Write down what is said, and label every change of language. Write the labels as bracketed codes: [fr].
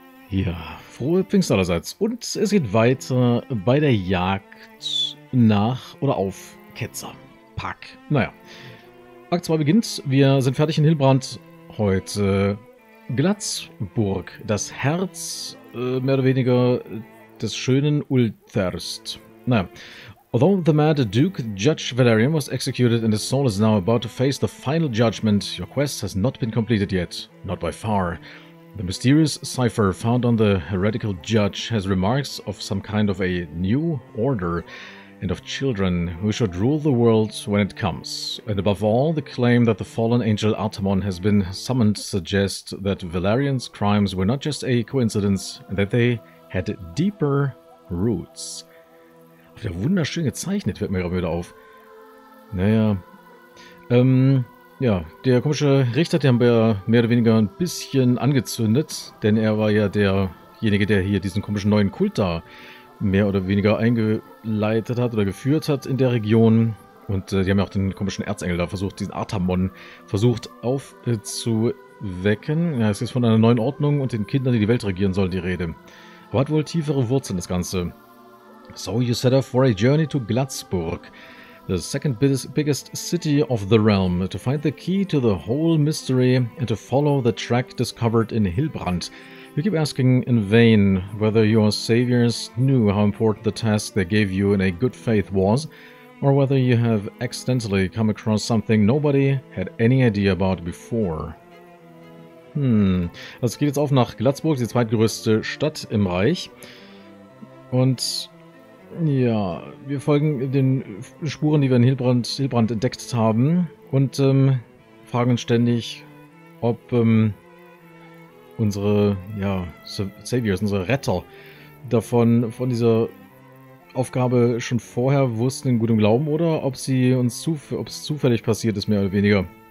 [de] Ja, frohe Pfingst allerseits. Und es geht weiter bei der Jagd nach oder auf Ketzer. Pack. Naja, Akt 2 beginnt. Wir sind fertig in Hillbrand. Heute Glatzburg, das Herz mehr oder weniger des schönen Ulthurst. Naja. [en] Although the mad Duke Judge Valerian was executed and his soul is now about to face the final judgment, your quest has not been completed yet. Not by far. The mysterious cipher found on the heretical judge has remarks of some kind of a new order and of children who should rule the world when it comes. And above all, the claim that the fallen angel Artamon has been summoned suggests that Valerian's crimes were not just a coincidence and that they had deeper roots. [de] Ja, wunderschön gezeichnet, fällt mir gerade wieder auf. Naja. Ja, der komische Richter, den haben wir mehr oder weniger ein bisschen angezündet, denn er war ja derjenige, der hier diesen komischen neuen Kult da mehr oder weniger eingeleitet hat oder geführt hat in der Region. Und die haben ja auch den komischen Erzengel da versucht, diesen Artamon versucht aufzuwecken. Ja, es ist von einer neuen Ordnung und den Kindern, die die Welt regieren sollen, die Rede. Aber hat wohl tiefere Wurzeln, das Ganze. [en] So you set off for a journey to Glatzburg, the second biggest city of the realm, to find the key to the whole mystery and to follow the track discovered in Hillbrand. You keep asking in vain whether your saviors knew how important the task they gave you in a good faith was, or whether you have accidentally come across something nobody had any idea about before. [de] Also geht jetzt auf nach Glatzburg, die zweitgrößte Stadt im Reich. Und ja, wir folgen den Spuren, die wir in Hillbrand entdeckt haben und fragen ständig, ob unsere ja, Saviors, unsere Retter davon, von dieser Aufgabe schon vorher wussten in gutem Glauben oder ob sie uns ob es zufällig passiert ist, mehr oder weniger.